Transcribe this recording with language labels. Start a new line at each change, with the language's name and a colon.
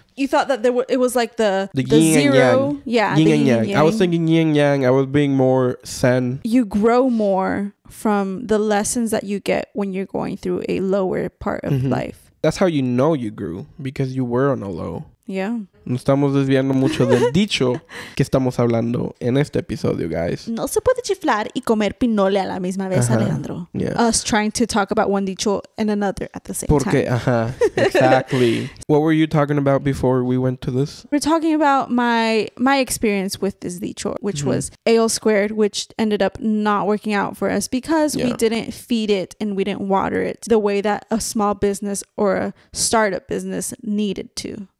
English: You thought that it was like the yin zero. And yang. Yeah. Yin and yang. I was thinking yin and yang. I was being more zen. You grow more from the lessons that you get when you're going through a lower part of mm-hmm. life. That's how you know you grew, because you were on a low. Yeah.
Spanish: No estamos desviando mucho del dicho que estamos hablando en este episodio, guys. No se puede chiflar y comer pinole a la misma vez, uh-huh.
English: Alejandro. Yeah. Us trying to talk about one dicho and another at the same
Spanish: Porque,
English: time.
Spanish: Porque,
English: exactly. What were you talking about before we went to this? We're talking about my experience with this dicho, which mm-hmm. was ale squared, which ended up not working out for us because yeah. we didn't feed it and we didn't water it the way that a small business or a startup business needed to.